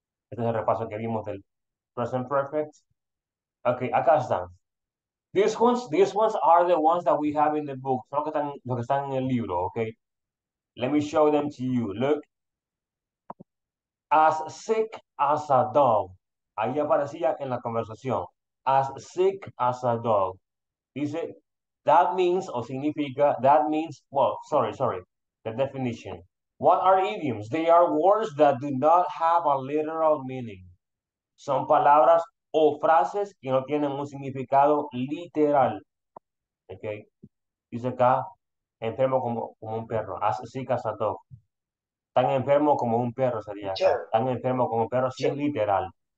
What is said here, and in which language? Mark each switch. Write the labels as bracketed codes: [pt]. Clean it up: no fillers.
[es] Este es el repaso que vimos del present perfect. Okay, acá están. [en] These ones are the ones that we have in the book. [es] Son los que están en el libro, okay? [en] Let me show them to you. Look. As sick as a dog. [es] Ahí aparecía en la conversación. [en] As sick as a dog. [es] Dice, [en] that means, [es] o significa, [en] that means, well, sorry. The definition. What are idioms? They are words that do not have a literal meaning. [es] Son palabras o frases que no tienen un significado literal. Okay. Dice acá, enfermo como un perro. [en] As sick as a dog. [es] Tan enfermo como un perro sería acá. Tan enfermo como un perro, sí es literal.